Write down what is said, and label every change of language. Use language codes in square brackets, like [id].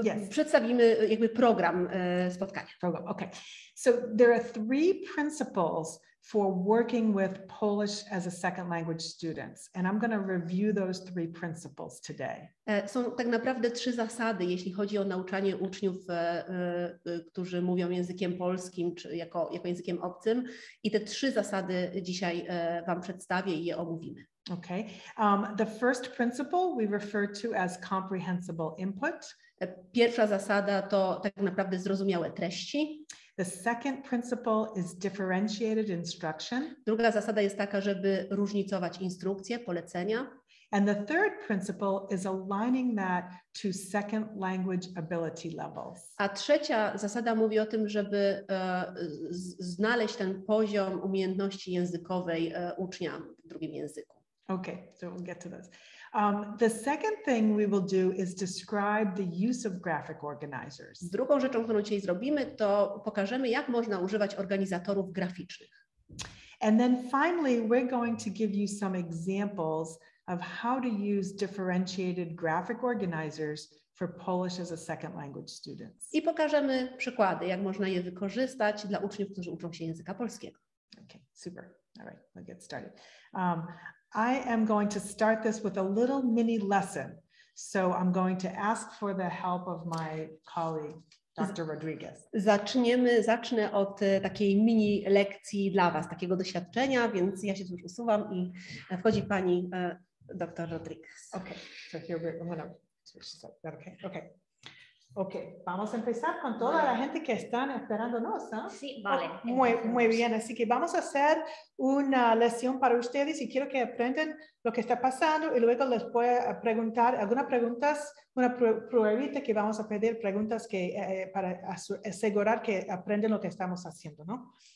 [pl] Przedstawimy jakby program spotkania. Program. Okay. [en] So there are three principles for working with Polish as a second language students. And I'm going to review those three principles today. [pl] Są tak naprawdę trzy zasady, jeśli chodzi o nauczanie uczniów, którzy mówią językiem polskim czy jako językiem obcym. I te trzy zasady dzisiaj wam przedstawię i je omówimy. [en] Okay. The first principle we refer to as comprehensible input. [pl] Pierwsza zasada to tak naprawdę zrozumiałe treści. [en] The second principle is differentiated instruction. [pl] Druga zasada jest taka, żeby różnicować instrukcje, polecenia. [en] And the third principle is aligning that to second language ability levels. [pl] A trzecia zasada mówi o tym, żeby znaleźć ten poziom umiejętności językowej ucznia w drugim języku. [en] Okay, so we'll get to this. The second thing we will do is describe the use of graphic organizers. [pl] Drugą rzeczą, którą dzisiaj zrobimy, to pokażemy, jak można używać organizatorów graficznych. [en] And then finally, we're going to give you some examples of how to use differentiated graphic organizers for Polish as a second language students. [pl] I pokażemy przykłady, jak można je wykorzystać dla uczniów, którzy uczą się języka polskiego. [en] Okay, super. All right, let's get started. I am going to start this with a little mini lesson. So I'm going to ask for the help of my colleague, Dr. Rodriguez. [pl] Zacznę od takiej mini lekcji dla was, takiego doświadczenia, więc ja się tu już usuwam i wchodzi pani Dr. Rodriguez. [en] Okay, so here we go. [es] Okay, vamos a empezar con toda la gente que están esperándonos, ¿eh? Sí, vale. Muy bien, así que vamos a hacer una lección para ustedes y quiero que aprendan lo que está pasando y luego les voy a preguntar algunas preguntas, una pruebita que vamos a pedir, preguntas que para asegurar que aprenden lo que estamos haciendo, ¿no?